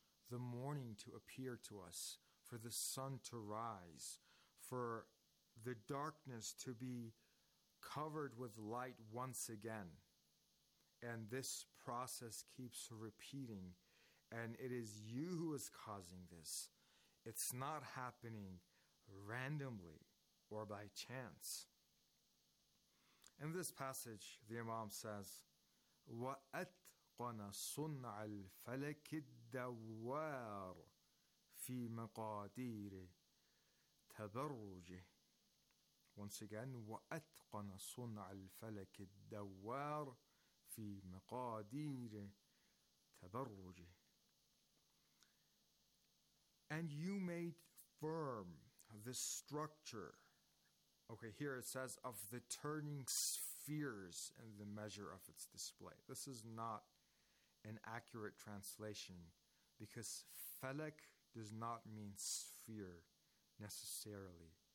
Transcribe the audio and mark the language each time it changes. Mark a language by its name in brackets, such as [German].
[English] the morning to appear to us, for the sun to rise, for the darkness to be covered with light once again. And this process keeps repeating, and it is you who is causing this. It's not happening randomly or by chance. In this passage, the Imam says, [Arabic] وَأَتْقَنَ صُنْعَ الْفَلَكِ الدَّوَّارِ فِي مَقَادِيرِ تَبَرُّجِ. [English] Once again, [Arabic] وَأَتْقَنَ صُنْعَ الْفَلَكِ الدَّوَّارِ فِي مَقَادِيرِ تَبَرُّجِ. [English] And you made firm the structure, okay, here it says, of the turning spheres and the measure of its display. This is not an accurate translation, because felek does not mean sphere necessarily.